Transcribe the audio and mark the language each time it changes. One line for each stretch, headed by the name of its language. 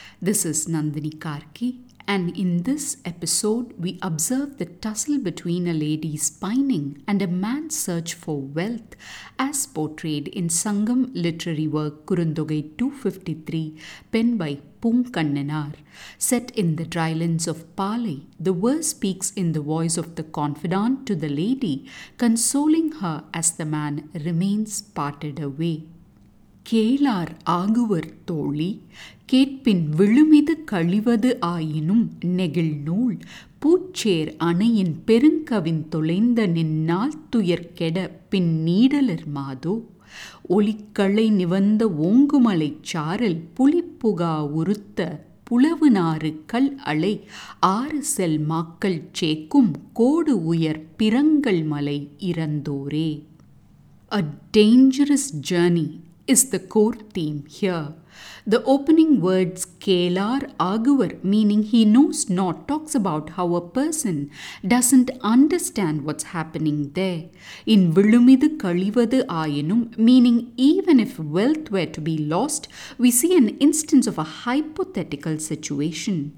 English: This is Nandini Karki, and in this episode we observe the tussle between a lady's pining and a man's search for wealth as portrayed in Sangam literary work Kurundogai 253, penned by Poonkannanar. Set in the drylands of Pali, the verse speaks in the voice of the confidant to the lady, consoling her as the man remains parted away.
Tamil: கேளார் ஆகுவர் தோழி கேட்பின் விழுமிது கழிவது ஆயினும் நெகிழ் நூல் பூச்சேர் அணையின் பெருங்கவின் தொலைந்த நின்னால் துயர்கெட பின் நீடலர் மாதோ ஒளிக்களை நிவந்த ஓங்குமலை சாரல் புலிப்புகா உறுத்த புலவுநாறு கல் அலை ஆறு செல் மாக்கள் சேக்கும் கோடு உயர் பிரங்கல் மலை இறந்தோரே.
English: A dangerous journey is the core theme here. The opening words Kelar Aguvar, meaning he knows not, talks about how a person doesn't understand what's happening there. In Vilumidu Kalivadu Ayanum, meaning even if wealth were to be lost, we see an instance of a hypothetical situation.